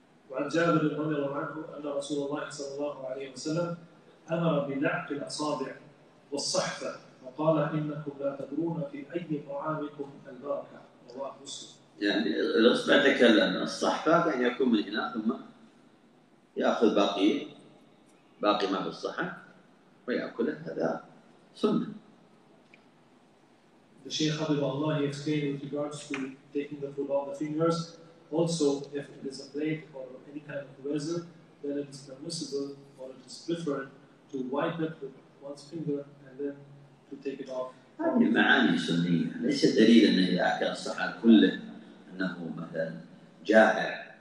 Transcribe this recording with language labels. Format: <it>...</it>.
<ar>وعن جابر رضي الله عنه أن رسول الله صلى الله عليه وسلم أمر بلعق الأصابع والصحفة وقال إنكم لا تدرون في أي طعامكم البركة رواه مسلم. يعني الأصبع تكلم الصحفة يعني يكون من هنا ثم يأخذ باقي ما في الصحن ويأكله هذا سنة.</ar> <en>The Shaykh Habibullah explained with regards to taking the food off the fingers. Also, if it is a plate or any kind of vessel, then it is permissible or it is preferred to wipe it with one's finger and then to take it off.</en> <ar>هذه معاني سنية. ليس دليل أن إذا أكل الصحن كله أنه مثلا جائع</ar>